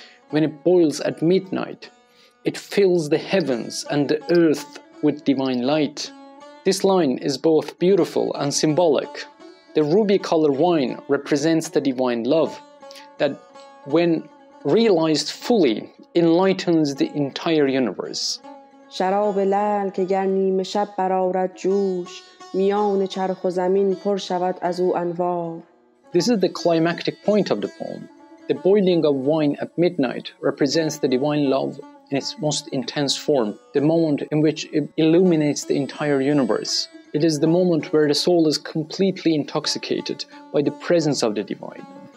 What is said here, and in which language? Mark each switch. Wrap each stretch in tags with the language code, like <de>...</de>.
<en>When it boils at midnight, it fills the heavens and the earth with divine light. This line is both beautiful and symbolic. The ruby-colored wine represents the divine love that, when realized fully, enlightens the entire universe.</en> <fa>شراب لعل که گر نیمه شب برآورد جوش میان چرخ و زمین پر شود از او انوار.</fa> <en>This is the climactic point of the poem. The boiling of wine at midnight represents the divine love in its most intense form, the moment in which it illuminates the entire universe. It is the moment where the soul is completely intoxicated by the presence of the divine.</en>